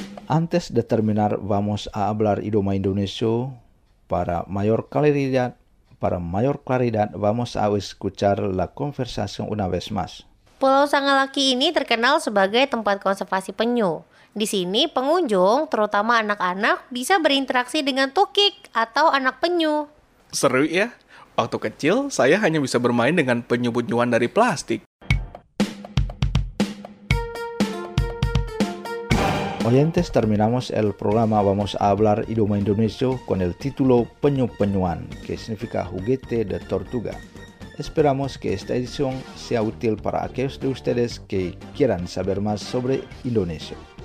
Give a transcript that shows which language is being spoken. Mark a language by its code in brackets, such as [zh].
[es] Antes de terminar, vamos a hablar idioma indonesio. Para mayor claridad, vamos a escuchar la conversación una vez más. [id] Pulau Sangalaki ini terkenal sebagai tempat konservasi penyu. Di sini, pengunjung, terutama anak-anak, bisa berinteraksi dengan tukik atau anak penyu. Seru ya. Waktu kecil, saya hanya bisa bermain dengan penyu-penyuan dari plastik. [es] Oyentes, terminamos el programa Vamos a hablar idioma indonesio con el título Penyu-penyuan, que significa juguete de tortuga. Esperamos que esta edición sea útil para aquellos de ustedes que quieran saber más sobre Indonesia.